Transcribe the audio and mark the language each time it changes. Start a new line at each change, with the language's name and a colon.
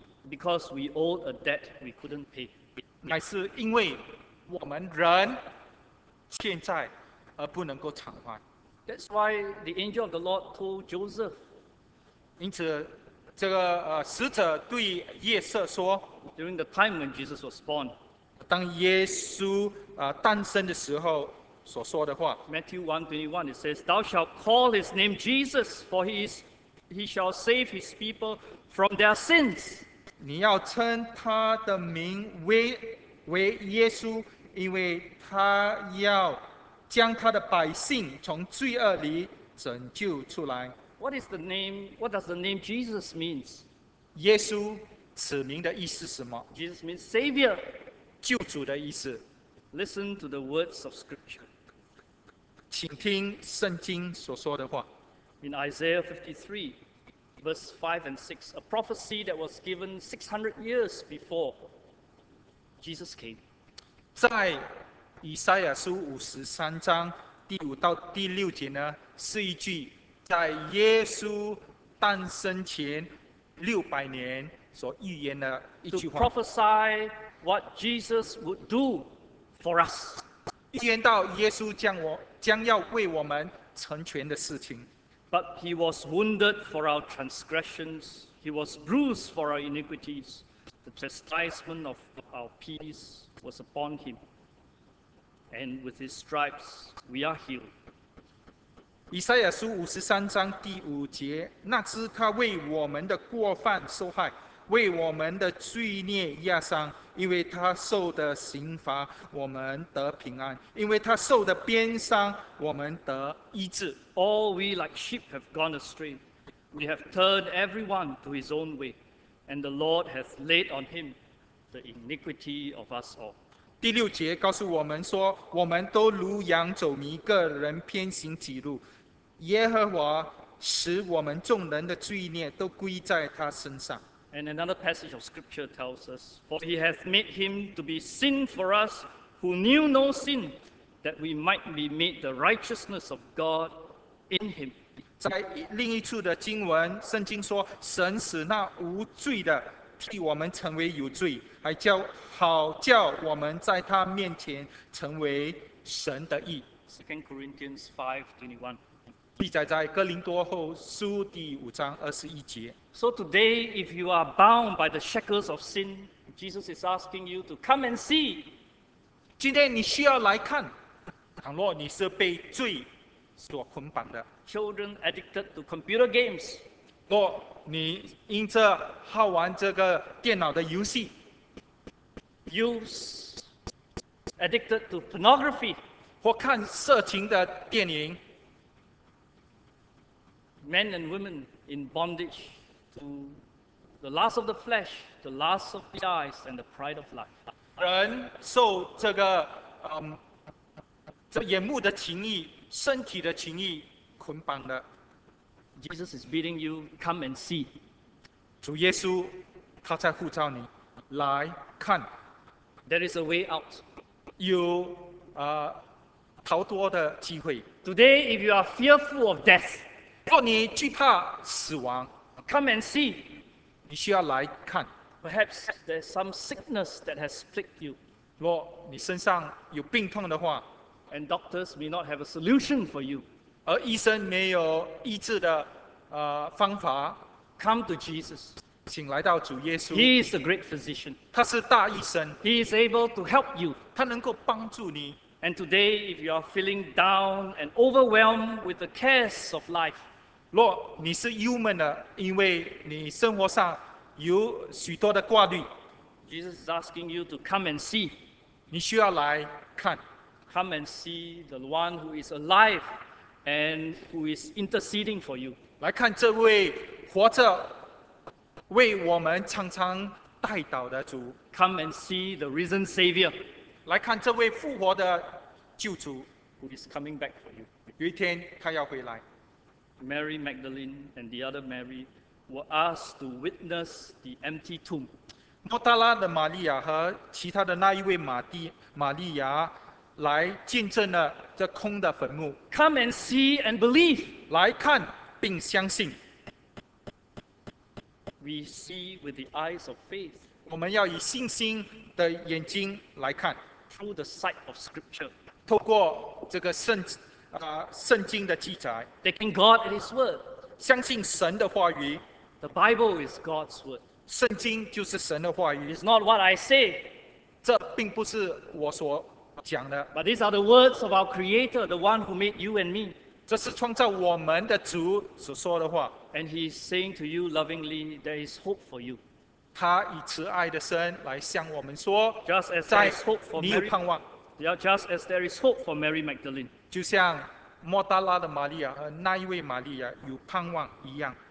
English: Because we owed a debt we couldn't pay.
Chinese: 乃是因为我们人欠债。而不能够偿还。
English: That's why the angel of the Lord told Joseph.
Chinese: 因此，这个使者对约瑟说
English: ，During the time when Jesus was born.
Chinese: 当耶稣诞生的时候所说的话。
English: Matthew 1:21 it says, "Thou shalt call his name Jesus, for he shall save his people from their sins."
Chinese: 你要称他的名为耶稣，因为他要将他的百姓从罪恶里拯救出来。
English: What is the name? What does the name Jesus means?
Chinese: 耶稣此名的意思是什么
English: ？Jesus means Savior,
Chinese: 救主的意思。
English: Listen to the words of Scripture.
Chinese: 请听圣经所说的话。
English: In Isaiah 53, verse 5 and 6, a prophecy that was given 600 years before Jesus came.
Chinese: 在以赛亚书53:5-6呢，是一句在耶稣诞生前600年所预言的一句话。
English: To prophesy what Jesus would do for us，
Chinese: 预言到耶稣将要为我们成全的事情。
English: But he was wounded for our transgressions; he was bruised for our iniquities. The chastisement of our peace was upon him. And with his stripes, we are healed.
Chinese: 以赛亚书53:5，那知他为我们的过犯受害，为我们的罪孽压伤，因为他受的刑罚，我们得平安；因为他受的鞭伤，我们得医治。
English: All we like sheep have gone astray; we have turned everyone to his own way, and the Lord hath laid on him the iniquity of us all.
Chinese: 第六节告诉我们说，我们都如羊走迷，个人偏行己路。耶和华使我们众人的罪孽都归在他身上。
English: And another passage of scripture tells us, For he hath made him to be sin for us who knew no sin, that we might be made the righteousness of God in him.
Chinese: 在另一处的经文，圣经说，神使那无罪的替我们成为有罪，还叫好叫我们在他面前成为神的义。
English: 2 Corinthians 5:21
Chinese: 记载在哥林多后书第五章二十一节。
English: So today, if you are bound by the shackles of sin, Jesus is asking you to come and see.
Chinese: 今天你需要来看，倘若你是被罪所捆绑的。
English: Children addicted to computer games.
Chinese: 若你因这好玩这个电脑的游戏。
English: Youths addicted to pornography.
Chinese: 或看色情的电影。
English: Men and women in bondage to the lust of the flesh, the lust of the eyes, and the pride of life.
Chinese: 人受这个这眼目的情欲、身体的情欲捆绑的。
English: Jesus is bidding you come and see.
Chinese: 主耶稣他在呼召你来看。
English: There is a way out.
Chinese: 有逃脱的机会。
English: Today, if you are fearful of death.
Chinese: 若你惧怕死亡
English: ，Come and see，
Chinese: 你需要来看。
English: Perhaps there's some sickness that has afflicted you。
Chinese: 若你身上有病痛的话
English: ，And doctors may not have a solution for you，
Chinese: 而医生没有医治的方法
English: ，Come to Jesus，
Chinese: 请来到主耶稣。
English: He is a great physician，
Chinese: 他是大医生。
English: He is able to help you，
Chinese: 他能够帮助你。
English: And today, if you are feeling down and overwhelmed with the cares of life,
Chinese: 若你是忧闷的，因为你生活上有许多的挂虑，
English: Jesus is asking you to come and see.
Chinese: 你需要来看。
English: Come and see the one who is alive and who is interceding for you.
Chinese: 来看这位活着为我们常常代祷的主。
English: Come and see the risen Savior.
Chinese: 来看这位复活的救主
English: ，Who is coming back for you？
Chinese: 有一天他要回来。
English: Mary Magdalene and the other Mary were asked to witness the empty tomb。
Chinese: 抹大拉的玛利亚和其他的那一位玛利亚来见证了这空的坟墓。
English: Come and see and believe。
Chinese: 来看并相信。
English: We see with the eyes of faith。
Chinese: 我们要以信心的眼睛来看。
English: Through the sight of Scripture,
Chinese: 透过这个圣经的记载
English: ，taking God at His word,
Chinese: 相信神的话语
English: ，the Bible is God's word,
Chinese: 圣经就是神的话语
English: ，it's not what I say,
Chinese: 这并不是我所讲的
English: ，but these are the words of our Creator, the one who made you and me,
Chinese: 这是创造我们的主所说的话
English: ，and He is saying to you lovingly, there is hope for you.
Chinese: 他以慈爱的声来向我们说
English: ，Just as there is hope for Mary,
Chinese: 你有盼望。
English: Yeah, just as there is hope for Mary Magdalene,
Chinese: 就像抹大拉的玛利亚和那一位玛利亚有盼望一样。